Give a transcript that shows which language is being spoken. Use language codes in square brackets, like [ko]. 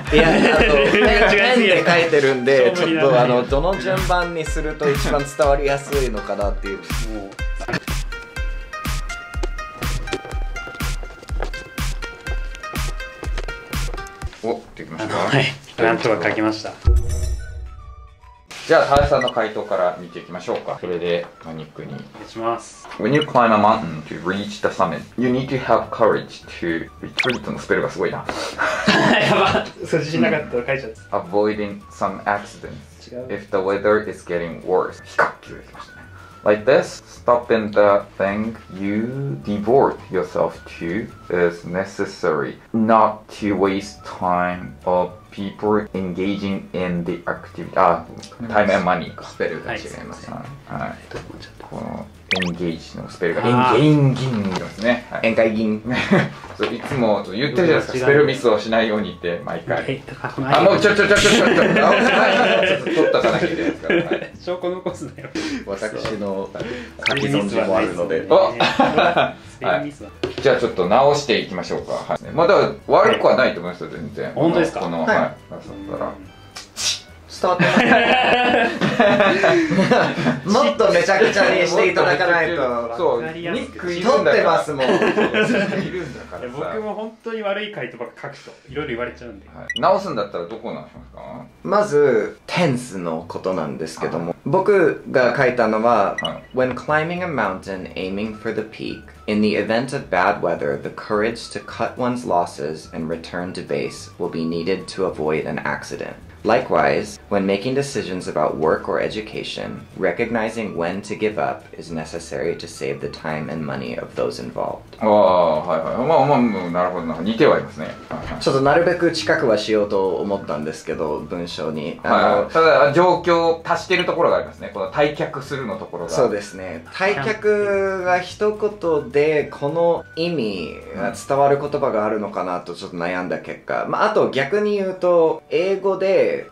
[ja] いや、ペンで書いてるんで、ちょっとどの順番にすると一番伝わりやすいのかなっていう。お、できましたか。はい、なんとか書きました。じゃあ、田辺さんの回答から見ていきましょうか。それで、マニックに。お願いします。 [en] When you climb a mountain to reach the summit, you need to have courage to retreat. [ja] のスペルがすごいな。やば。そう、自信なかったら書いちゃった。 [en] Avoiding some accidents. [ja] 違う。 [en] If the weather is getting worse. [ja] 比較級できましたね。 [en] Like this, stopping the thing you devote yourself to is necessary. Not to waste time ofpeople engaging in the activity. [ja] あ、タイムやマニーか。スペルが違いますね。はい。この、エンゲージのスペルが。エンゲインギンですね。エンカイギン。そう、いつも言ってるじゃないですか。スペルミスをしないようにって、毎回。あ、もう、ちょっと、取っとかなきゃいけないですから。証拠残すなよ。私の書き損じもあるので。おはい、じゃあちょっと直していきましょうか、はい、まあ、だか悪くはないと思いますよ、全然。本当ですか。この、はい、出さったらスタートもっとめちゃくちゃにしていただかないと。そう、ニックいるんだから。撮ってますもん。いるんだからさ。僕も本当に悪い回答ばっか書くといろいろ言われちゃうんで、はい、直すんだったらどこ直しますか。まずテンスのことなんですけども、僕が書いたのは、はい、 [en] When climbing a mountain aiming for the peakIn the event of bad weather, the courage to cut one's losses and return to base will be needed to avoid an accident. Likewise, when making decisions about work or education, recognizing when to give up is necessary to save the time and money of those involved. Oh, [ja] はいはい。まあまあ、なるほどな。似てはいますね。ちょっとなるべく近くはしようと思ったんですけど、文章に。はい。ただ状況を足しているところがありますね。この退却するのところが。そうですね。退却が一言で、この意味が伝わる言葉があるのかなとちょっと悩んだ結果、まあ、あと逆に言うと、英語で